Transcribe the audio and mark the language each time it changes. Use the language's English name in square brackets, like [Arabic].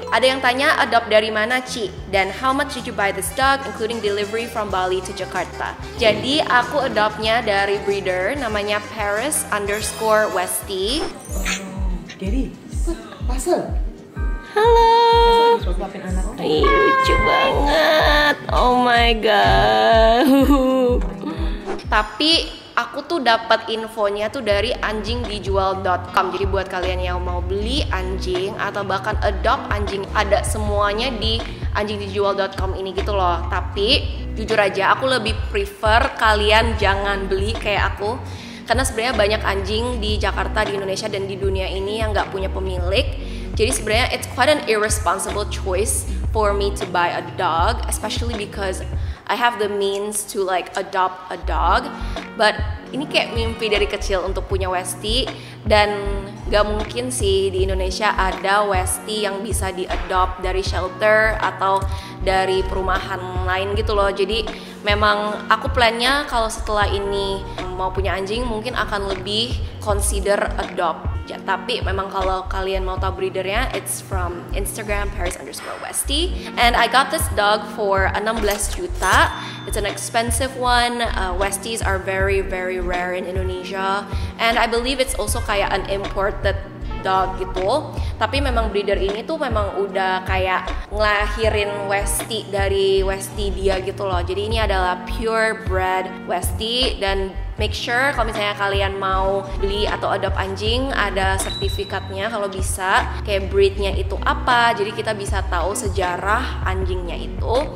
[Indonesian] Ada yang tanya, adopt dari mana Ci? [English] Dan how much did you buy this dog including delivery from Bali to Jakarta? [Indonesian] Jadi aku adoptnya dari breeder namanya Paris _ Westie. Gary, pasal. Halo. Lucu banget. [English] Oh my god. [Indonesian] Tapi aku tuh dapat infonya tuh dari anjingdijual.com. Jadi buat kalian yang mau beli anjing atau bahkan adopt anjing, ada semuanya di anjingdijual.com ini gitu loh. Tapi jujur aja aku lebih prefer kalian jangan beli kayak aku. Karena sebenarnya banyak anjing di Jakarta, di Indonesia dan di dunia ini yang enggak punya pemilik. Jadi sebenarnya [English] it's quite an irresponsible choice for me to buy a dog, especially because I have the means to like adopt a dog. [Indonesian] But ini kayak mimpi dari kecil untuk punya Westie, dan gak mungkin sih di Indonesia ada Westie yang bisa diadopt dari shelter atau dari perumahan lain gitu loh. Jadi memang aku plannya kalau setelah ini mau punya anjing mungkin akan lebih consider adopt. Ya, tapi memang kalau kalian mau tahu breedernya, [English] it's from Instagram [Indonesian] Paris_Westie. [English] And I got this dog for 16 juta. It's an expensive one. Westies are very very rare in Indonesia. And I believe it's also kayak an imported dog gitu. [Indonesian] Tapi memang breeder ini tuh memang udah kayak ngelahirin Westie dari Westie dia gitu loh. Jadi ini adalah purebred Westie. Dan make sure kalau misalnya kalian mau beli atau adopt anjing, ada sertifikatnya kalau bisa, kayak breednya itu apa, jadi kita bisa tahu sejarah anjingnya itu.